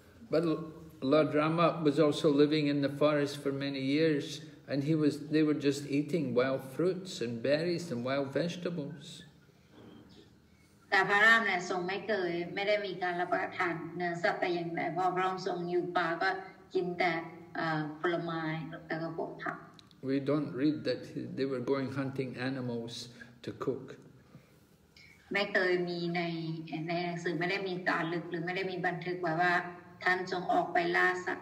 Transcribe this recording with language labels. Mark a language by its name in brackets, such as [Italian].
[English] But Lord Rama was also living in the forest for many years, and they were just eating wild fruits and berries and wild vegetables. [Thai] แต่พระรามเนี่ยทรงไม่เคยไม่ได้มีการรับประทานเนื้อสัตว์แต่อย่างใดพอพระองค์ทรงอยู่ป่าก็กินแต่ผลไม้แล้วก็ผักผัก [English] We don't read that they were going hunting animals to cook [Thai] ไม่เคยมีในหนังสือไม่ได้มีตราลึกหรือไม่ได้มีบันทึกไว้ว่าท่านทรงออกไปล่าสัตว